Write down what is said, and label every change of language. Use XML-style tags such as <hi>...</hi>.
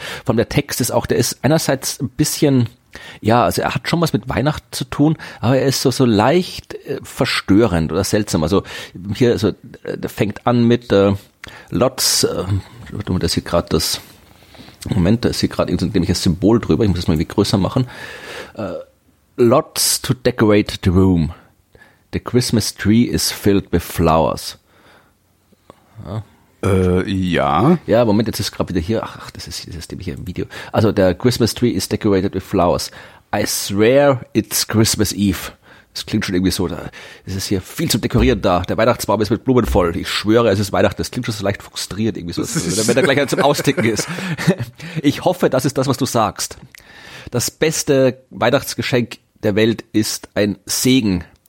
<de>Vor allem der Text ist auch, der ist einerseits ein bisschen, ja, also er hat schon was mit Weihnachten zu tun, aber er ist so leicht verstörend oder seltsam. Also hier, also der fängt an mit Lots, warte mal, da ist hier gerade irgendwie ein Symbol drüber, ich muss das mal irgendwie größer machen.</de> <en>Lots to decorate the room. The Christmas tree is filled with flowers.</en> <de>Ja, Moment, jetzt ist gerade wieder hier. Ach, das ist nämlich hier im Video. Also, der</de> <en>Christmas tree is decorated with flowers. I swear it's Christmas Eve.</en> <de>Das klingt schon irgendwie so. Es ist hier viel zu dekorieren da. Der Weihnachtsbaum ist mit Blumen voll. Ich schwöre, es ist Weihnachten. Das klingt schon so leicht frustriert irgendwie so. Wenn er gleich zum Austicken ist. Ich hoffe, das ist das, was du sagst. Das beste Weihnachtsgeschenk der Welt ist ein Segen.</de>